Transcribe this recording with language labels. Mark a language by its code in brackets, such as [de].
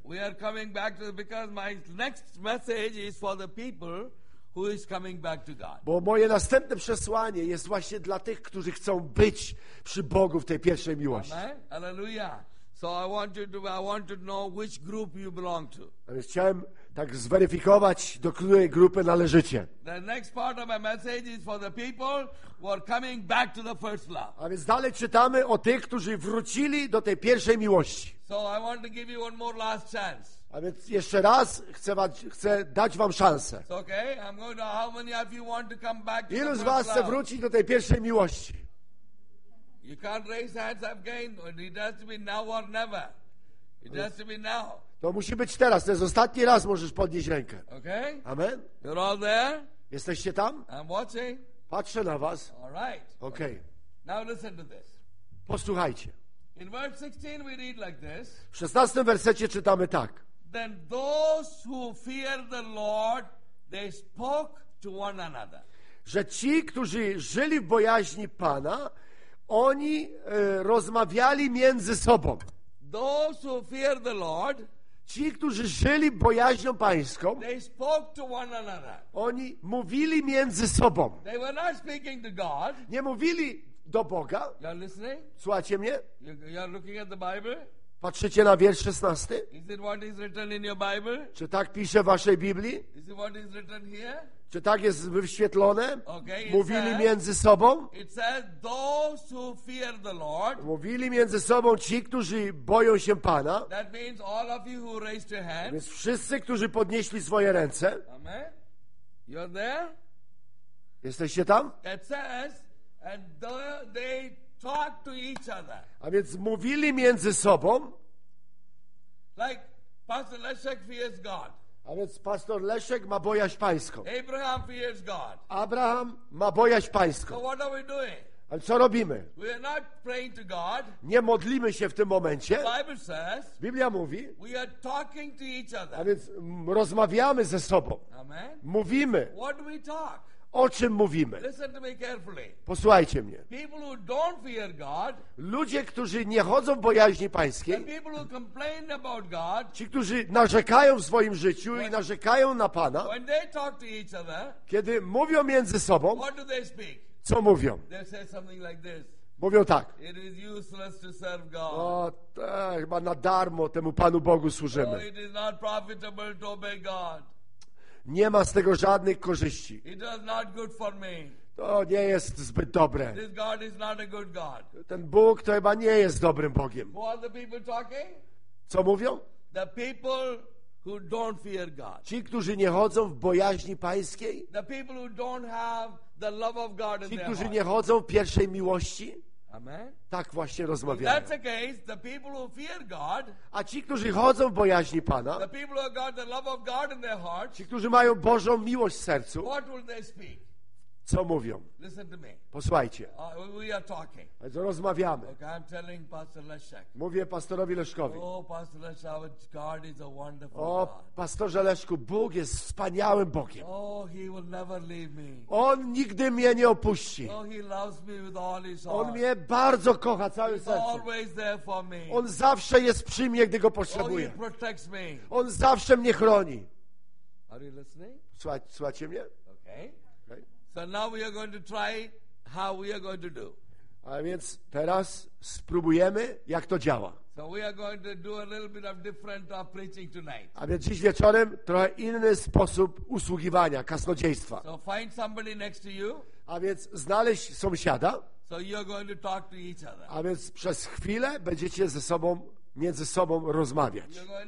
[en] We are coming back to because my next message is for the people who is coming back to God. [pl] Bo moje następne przesłanie jest właśnie dla tych, którzy chcą być przy Bogu w tej pierwszej miłości. Amen. Hallelujah. [en] So I want to know which group you belong to. [pl] Chciałem tak zweryfikować, do której grupy należycie. [en] The next part of my message is for the people who are coming back to the first love. [pl] A więc dalej czytamy o tych, którzy wrócili do tej pierwszej miłości. [en] So I want to give you one more last chance. [pl] A więc jeszcze raz chcę dać wam szansę. [en] Okay, I'm going to how many of you want to come back to the first [pl] love? Ilu z was chce wrócić do tej pierwszej miłości? [en] You can't raise hands again. It has to be now or never. It has to be now. [pl] To musi być teraz. To jest ostatni raz, możesz podnieść rękę. Okay. Amen. [en] You're all there. [pl] Jesteście tam? [en] I'm watching. [pl] Patrzę na was. [en] All right. Okay. Now listen to this. [pl] Posłuchajcie. [en] In verse 16 we read like this. [pl] W 16 wersecie czytamy tak. [en] Then those who fear the Lord, they spoke to one another. [pl] Że ci, którzy żyli w bojaźni Pana, oni rozmawiali między sobą. [en] Those who fear the Lord, [pl] ci, którzy żyli bojaźnią pańską, [en] they spoke to one another. [pl] Oni mówili między sobą. [en] They were not speaking to God. [pl] Nie mówili do Boga. [en] You're listening? [pl] Słuchacie mnie? [en] You're looking at the Bible? [pl] Patrzycie na wiersz 16? [en] Is it what is written in your Bible? [pl] Czy tak pisze w waszej Biblii? [en] Is it what is written here? [pl] Czy tak jest wyświetlone? [en] Okay, [pl] mówili says, między sobą? [en] It says, those who fear the Lord. [pl] Mówili między sobą ci, którzy boją się Pana. [en] That means all of you who raised your hands. [pl] Więc wszyscy, którzy podnieśli swoje ręce. [en] Amen. You're there? [pl] Jesteście tam? [en] It says, and they talk to each other. [pl] A więc mówili między sobą. [en] Like Pastor Leszek fears God. [pl] A więc pastor Leszek ma bojaźń pańską. [en] Abraham fears God. [pl] Abraham ma bojaźń pańską. [en] So what are we doing? [pl] Ale co robimy? [en] We are not praying to God. [pl] Nie modlimy się w tym momencie. [en] The Bible says, [pl] Biblia mówi. [en] We are talking to each other. [pl] A więc rozmawiamy ze sobą. Amen. Mówimy. [en] What do we talk? [pl] O czym mówimy? [en] Listen to me carefully. [pl] Posłuchajcie mnie. [en] People who don't fear God, [pl] ludzie, którzy nie chodzą w bojaźni pańskiej, [en] the people who complain about God, [pl] ci, którzy narzekają w swoim życiu i narzekają na Pana, [en] when they talk to each other, [pl] kiedy mówią między sobą, [en] what do they speak? [pl] Co mówią? [en] They say something like this. [pl] Mówią tak. [en] It is useless to serve God. [pl] O, chyba na darmo temu Panu Bogu służymy. [en] It is not profitable to obey God. [pl] Nie ma z tego żadnych korzyści. [en] It was not good for me. [pl] To nie jest zbyt dobre. [en] This God is not a good God. [pl] Ten Bóg to chyba nie jest dobrym Bogiem. [en] Who are the people talking? [pl] Co mówią? [en] The people who don't fear God. [pl] Ci, którzy nie chodzą w bojaźni pańskiej. [en] The people who don't have the love of God in their [pl] heart. Ci, którzy nie chodzą w pierwszej miłości. Amen. Tak właśnie rozmawiają. [en] That's the case, the people who fear God, [pl] a ci, którzy chodzą w bojaźni Pana, [en] the people who got the love of God in their heart, [pl] ci, którzy mają Bożą miłość w sercu, [en] what will they speak? [pl] Co mówią? [en] Listen to me. [pl] Posłuchajcie. [en] We are talking. [pl] Rozmawiamy. [en] Okay, I'm telling Pastor Leszek. [pl] Mówię pastorowi Leszkowi. [en] Oh, Pastor Leszek, God is a wonderful [pl] God. O, pastorze Leszku, Bóg jest wspaniałym Bogiem. [en] Oh, he will never leave me. [pl] On nigdy mnie nie opuści. [en] Oh, he loves me with all his heart. [pl] On mnie bardzo kocha całym [en] he's [pl] sercem. [en] Always there for me. [pl] On zawsze jest przy mnie, gdy go potrzebuję. [en] Oh, he protects me. [pl] On zawsze mnie chroni. [en] Are you listening? [pl] Słuchacie mnie? [en] Okay. So now we are going to try how we are going to do. [pl] A więc teraz spróbujemy, jak to działa. [en] So we are going to do a little bit of different of preaching tonight. [pl] A więc dziś wieczorem trochę inny sposób usługiwania, kasnodziejstwa. [en] So find somebody next to you. [pl] A więc znaleźć sąsiada. [en] So you are going to talk to each other. [pl] A więc przez chwilę będziecie ze sobą między sobą rozmawiać.